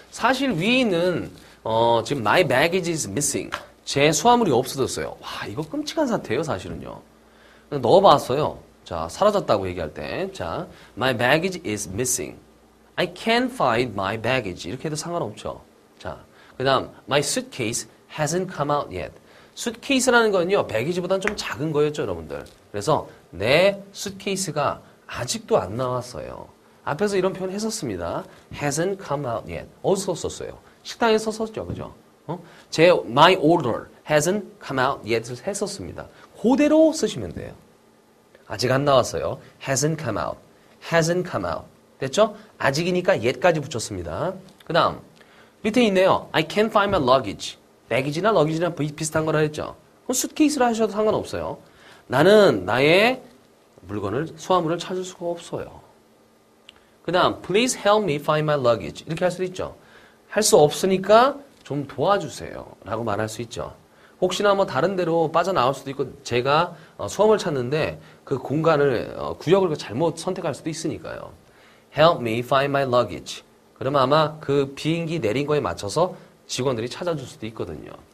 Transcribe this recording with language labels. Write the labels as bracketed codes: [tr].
[ko] 사실 위인은 지금 [en] my baggage is missing. [ko] 제 수하물이 없어졌어요. 와, 이거 끔찍한 사태예요, 사실은요. 넣어봤어요. 자, 사라졌다고 얘기할 때. [en] 자, my baggage is missing. I can't find my baggage. [ko] 이렇게 해도 상관없죠. [en] 자, [ko] 그 다음, [en] my suitcase hasn't come out yet. [ko] 수트케이스라는 건요, 배기지보단 좀 작은 거였죠, 여러분들. 그래서 내 수트케이스가 아직도 안 나왔어요. 앞에서 이런 표현 했었습니다. [en] hasn't come out yet. [ko] 어디서 썼어요? 식당에서 썼죠, 그죠? 어? [en] 제 my order hasn't come out yet을 했었습니다. [ko] 그대로 쓰시면 돼요. 아직 안 나왔어요. [en] hasn't come out. hasn't come out. [ko] 됐죠? 아직이니까 yet까지 붙였습니다. 그 다음, 밑에 있네요. [en] I can't find my luggage. [ko] 배기지나 러기지나 비슷한 거라 했죠. 그럼 수트케이스로 하셔도 상관없어요. 나는 나의 물건을, 수하물을 찾을 수가 없어요. 그 다음, [en] please help me find my luggage. [ko] 이렇게 할수 있죠. 할수 없으니까 좀 도와주세요. 라고 말할 수 있죠. 혹시나 뭐 다른 데로 빠져나올 수도 있고, 제가 수하물을 찾는데 그 공간을, 구역을 잘못 선택할 수도 있으니까요. [en] help me find my luggage. [ko] 그러면 아마 그 비행기 내린 거에 맞춰서 직원들이 찾아줄 수도 있거든요.